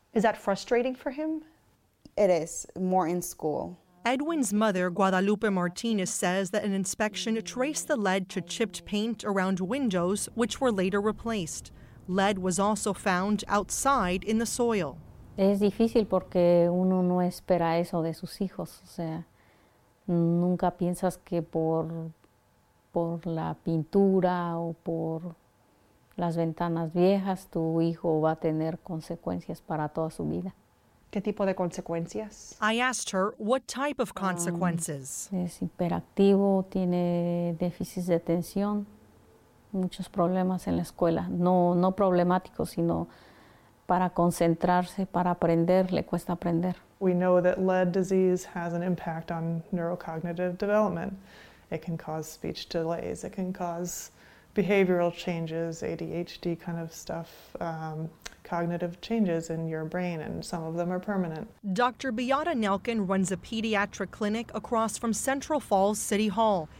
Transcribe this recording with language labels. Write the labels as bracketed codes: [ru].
[en] Is that frustrating for him? It is, more in school. Edwin's mother, Guadalupe Martinez, says that an inspection traced the lead to chipped paint around windows, which were later replaced. Lead was also found outside in the soil. [es] Es difícil porque uno no espera eso de sus hijos, o sea, nunca piensas que por la pintura o por las ventanas viejas tu hijo va a tener consecuencias para toda su vida. ¿Qué tipo de consecuencias? [en] I asked her what type of consequences. [es] Es hiperactivo, tiene déficits de atención, muchos problemas en la escuela, no problemáticos, sino para concentrarse, para aprender, le cuesta aprender. [en] We know that lead disease has an impact on neurocognitive development. It can cause speech delays. It can cause behavioral changes, ADHD kind of stuff, cognitive changes in your brain, and some of them are permanent. Dr. Beata Nelkin runs a pediatric clinic across from Central Falls City Hall.